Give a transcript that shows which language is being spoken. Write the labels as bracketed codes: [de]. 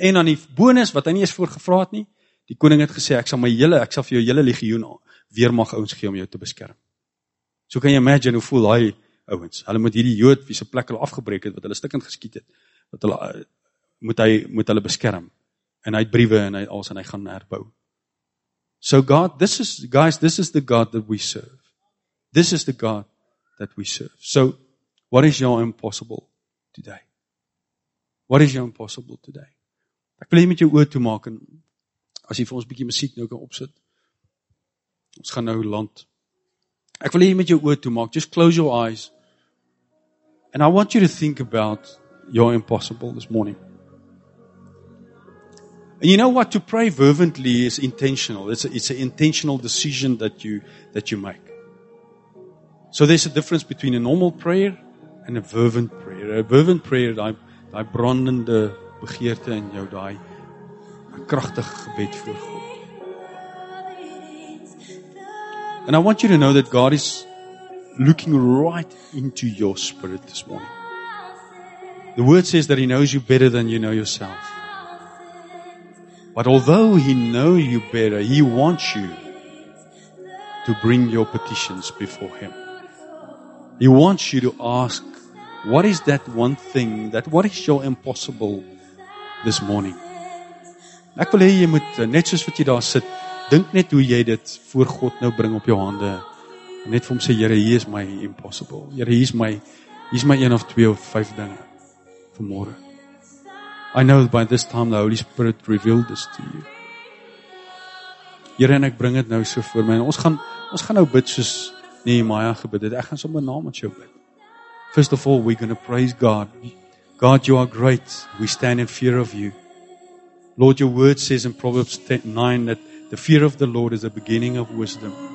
[af] En aan die bonus, wat hy nie eens voor gevra het nie, die koning het gesê, ek sal vir jou hele legioen weermag ouens gee om jou te beskerm. So kan jy imagine hoe voel hy ouens. Hulle moet hierdie Jood wie se plek hulle afgebreek het, wat hulle stikkend geskiet het, wat hulle moet hulle beskerm. En hy het briewe en hy gaan herbou. [en] So God, this is the God that we serve. This is the God that we serve. So what is your impossible today? What is your impossible today? [af] Ek wil hê jy moet jou oë toemaak en as jy vir ons bietjie musiek nou kan opsit. Ons gaan nou land. Ek wil hê jy met jou oë toemaak. [en] Just close your eyes. And I want you to think about your impossible this morning. And you know what? To pray fervently is intentional. It's an intentional decision that you make. So there's a difference between a normal prayer and a fervent prayer. A fervent prayer, daai brandende begeerte in jou, daai kragtige gebed voor God. And I want you to know that God is looking right into your spirit this morning. The word says that he knows you better than you know yourself. But although he knows you better, he wants you to bring your petitions before him. He wants you to ask, what is that one thing, what is your impossible this morning? [af] Ek wil hê jy moet, net soos wat jy daar sit, dink net hoe jy dit voor God nou bring op jou hande. Net vir hom sê, Here, hier is my impossible. Here, hier is my een of twee of vyf dinge vanmôre. [en] I know by this time the Holy Spirit revealed this to you. [af] Here, en ek bring dit nou so voor my. En ons gaan nou bid soos Nehemia gebid het. Ek gaan sommer naam met jou bid. [en] First of all, we're going to praise God. God, you are great. We stand in fear of you. Lord, your word says in Proverbs 10:9 that the fear of the Lord is the beginning of wisdom.